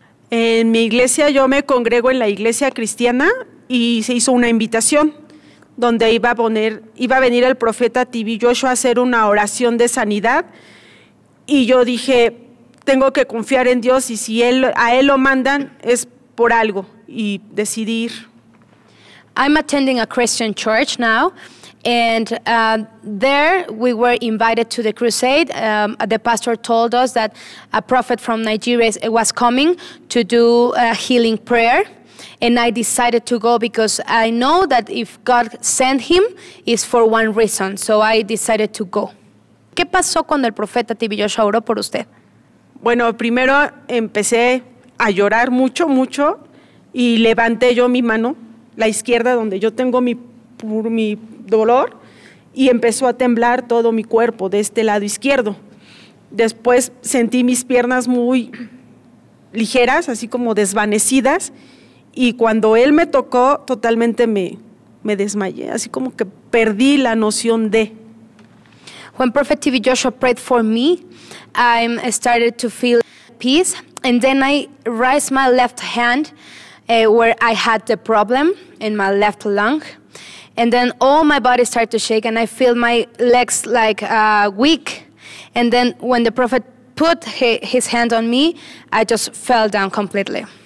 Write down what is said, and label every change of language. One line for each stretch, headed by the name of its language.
Spanish: En mi iglesia, yo me congrego en la iglesia cristiana y se hizo una invitación donde iba a venir el profeta T.B. Joshua a hacer una oración de sanidad. Y yo dije, tengo que confiar en Dios y si a él lo mandan es por algo y decidir.
English: I'm attending a Christian church now And there we were invited to the crusade. The pastor told us that a prophet from Nigeria was coming to do a healing prayer. And I decided to go because I know that if God sent him, it's for one reason. So I decided to go.
Spanish: ¿Qué pasó cuando el profeta Tibiyosha oró por usted? Bueno, primero empecé a llorar mucho, mucho, y levanté yo mi mano, la izquierda, donde yo tengo mi dolor, y empezó a temblar todo mi cuerpo de este lado izquierdo. Después sentí mis piernas muy ligeras, así como desvanecidas, y cuando él me tocó, totalmente me desmayé, así como que perdí la noción de.
English: When Prophet TV Joshua prayed for me, I started to feel peace, and then I raised my left hand where I had the problem in my left lung, and then all my body started to shake, and I feel my legs like weak, and then when the prophet put his hand on me, I just fell down completely.